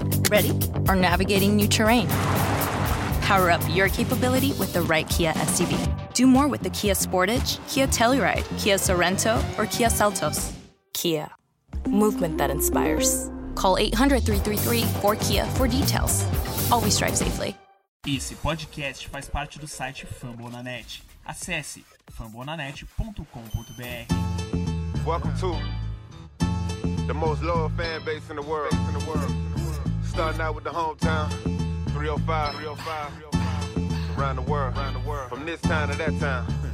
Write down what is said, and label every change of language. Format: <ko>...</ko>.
<en>ready, or navigating new terrain. Power up your capability with the right Kia SUV. Do more with the Kia Sportage, Kia Telluride, Kia Sorento, or Kia Seltos. Kia. Movement that inspires. Call 800-333-4KIA for details. Always drive safely.</en> <pt>Esse podcast faz parte do site Fambonanet. Acesse fambonanet.com.br.</pt> <en>Welcome to the most loyal fan base in the world. Starting out with the hometown. 305. Around the world. From this town to that town.</en>